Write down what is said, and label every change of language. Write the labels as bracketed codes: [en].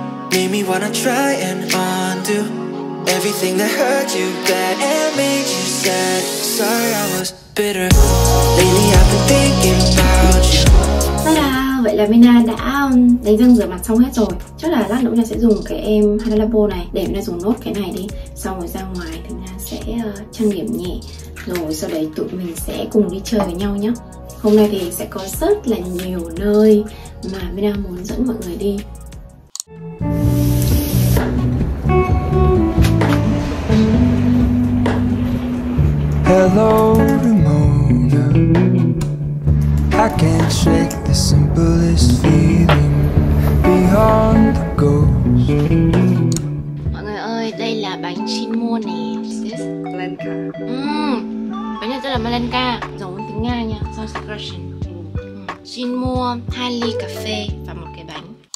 [en] Made me wanna try and undo everything that hurt you bad and made you sad. Sorry I was bitter. Lately I've been thinking about you. [vi] Vậy là Mina đã đánh răng rửa mặt xong hết rồi. Chắc là lát nữa Mina sẽ dùng cái em Hanalabo này để Mina dùng nốt cái này đi. Xong rồi ra ngoài thì Mina sẽ trang điểm nhẹ, rồi sau đấy tụi mình sẽ cùng đi chơi với nhau nhé. Hôm nay thì sẽ có rất là nhiều nơi mà Mina muốn dẫn mọi người đi. [en] Hello, Ramona. I can't shake the simplest feeling beyond the ghost. [vi] Mọi người ơi, đây là bánh chimo nè. Malenka. Bánh này rất là Malenka, giống tiếng Nga nha. [en] Sounds like Russian. [vi] Chimo, 2 ly cà phê và một cái bánh.